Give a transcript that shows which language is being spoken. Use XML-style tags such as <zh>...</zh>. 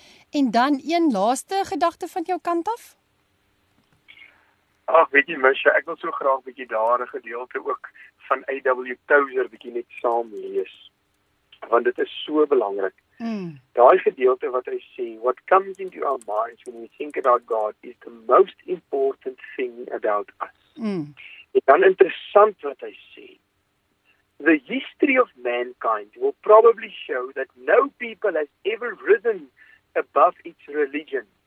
<af>En dan een laaste gedagte van jou kant af? Ag, weet jy, Misha, ek wil so graag 'n bietjie daar 'n gedeelte ook van A.W. Tozer bietjie net saam lees. Want dit is so belangrik. Mm. Daai gedeelte wat hy sê,</af> <en>what comes into our minds when we think about God is the most important thing about us. Mm.</en> <af>En dan interessant wat hy sê,</af> <en>the history of mankind will probably show that no people has ever risen above its religion.</en>